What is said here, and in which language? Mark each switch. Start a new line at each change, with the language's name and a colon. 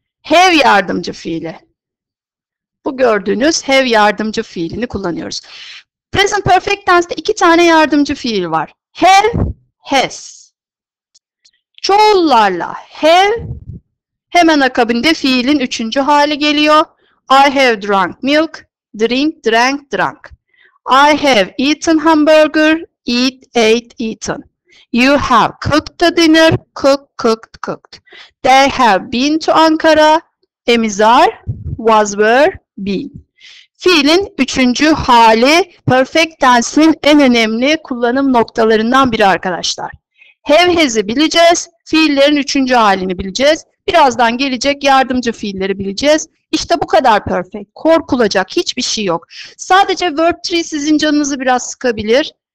Turkish: Have yardımcı fiili. Bu gördüğünüz have yardımcı fiilini kullanıyoruz. Present perfect tense'te iki tane yardımcı fiil var. Have, has. Çoğullarla have hemen akabinde fiilin üçüncü hali geliyor.
English: I have drunk milk, drank. I have eaten hamburger, ate. You have cooked the dinner, cooked. They have been to Ankara, emizar, was, were, been.
Turkish: Fiilin üçüncü hali perfect tense'in en önemli kullanım noktalarından biri arkadaşlar. Have has'i bileceğiz, fiillerin üçüncü halini bileceğiz. Birazdan gelecek yardımcı fiilleri bileceğiz. İşte bu kadar perfect. Korkulacak hiçbir şey yok. Sadece verb tree sizin canınızı biraz sıkabilir.